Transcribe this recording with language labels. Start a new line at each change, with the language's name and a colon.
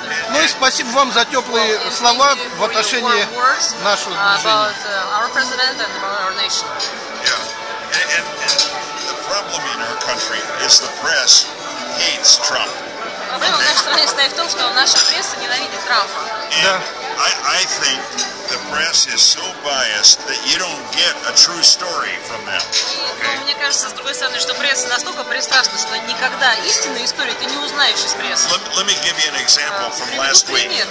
Russian: Ну и спасибо вам за теплые слова в отношении нашего движения. Проблема в нашей стране в том, что наша пресса ненавидит Трампа.
English: I think the press is so biased that you don't get a true story from them. Okay?
Russian: Мне кажется, с другой стороны, что пресса настолько пристрастна, что никогда истинную историю ты не узнаешь из прессы.
English: Let me give you an example from last week.